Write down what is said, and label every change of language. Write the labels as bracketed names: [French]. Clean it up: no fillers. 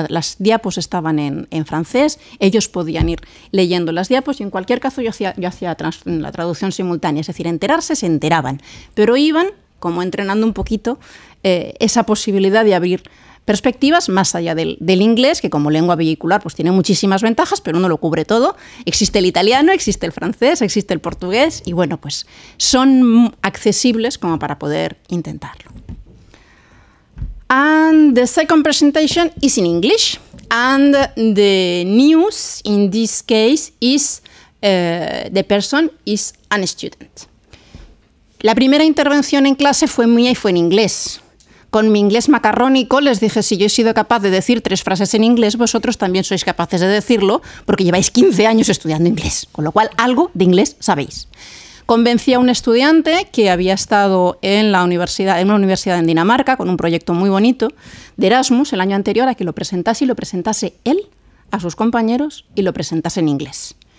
[Spanish] Las diapos estaban en francés, ellos podían ir leyendo las diapos y en cualquier caso yo hacía la traducción simultánea, es decir, enterarse se enteraban, pero iban como entrenando un poquito esa posibilidad de abrir perspectivas más allá del inglés, que como lengua vehicular pues tiene muchísimas ventajas, pero no lo cubre todo. Existe el italiano, existe el francés, existe el portugués y bueno, pues son accesibles como para poder intentarlo. [English] And the second presentation is in English, and the news in this case is the person is a student. [Spanish] La primera intervención en clase fue mía y fue en inglés. Con mi inglés macarrónico les dije, si yo he sido capaz de decir tres frases en inglés, vosotros también sois capaces de decirlo, porque lleváis 15 años estudiando inglés, con lo cual algo de inglés sabéis. Convencí a un estudiante que había estado en una universidad en Dinamarca con un proyecto muy bonito de Erasmus el año anterior a que lo presentase y lo presentase él a sus compañeros y lo presentase en inglés.